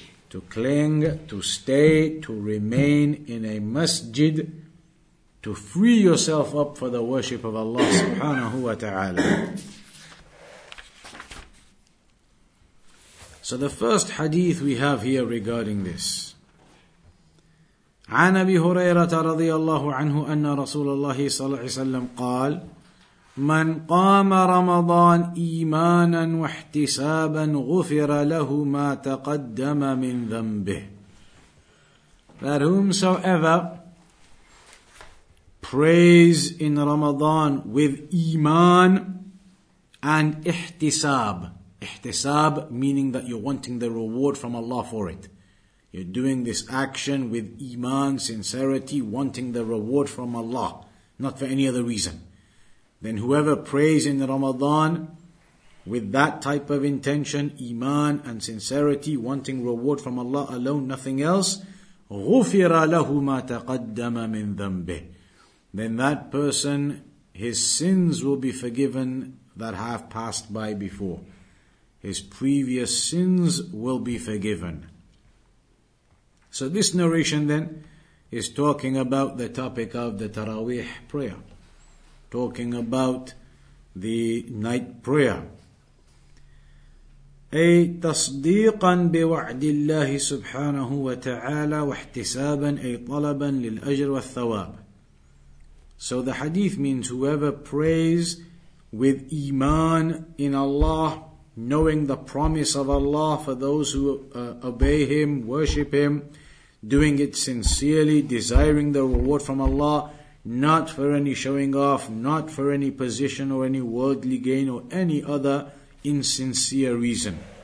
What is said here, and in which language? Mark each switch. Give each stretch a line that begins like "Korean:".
English: To cling, to stay, to remain in a masjid, to free yourself up for the worship of Allah subhanahu wa ta'ala. So the first hadith we have here regarding this.
Arabic: عن أبي هريرة رضي الله عنه أن رسول الله صلى الله عليه وسلم قال من قام رمضان إيمانا واحتسابا غفر له ما تقدم من ذنبه.
English: That whomsoever prays in Ramadan with iman and ihtisab. Ihtisab meaning that you're wanting the reward from Allah for it. You're doing this action with iman, sincerity, wanting the reward from Allah, not for any other reason. Then whoever prays in Ramadan with that type of intention, iman and sincerity, wanting reward from Allah alone, nothing else,
Arabic: غُفِرَ لَهُ مَا تَقَدَّمَ مِنْ ذَنْبِهِ.
English: Then that person, his sins will be forgiven that have passed by before. His previous sins will be forgiven. So this narration then is talking about the topic of the taraweeh prayer, talking about the night prayer.
Arabic: أي تصديقا بوعد الله سبحانه وتعالى واحتسابا أي طلبا للأجر والثواب.
English: So the hadith means whoever prays with iman in Allah, knowing the promise of Allah for those who obey Him, worship Him, doing it sincerely, desiring the reward from Allah, not for any showing off, not for any position or any worldly gain or any other insincere reason.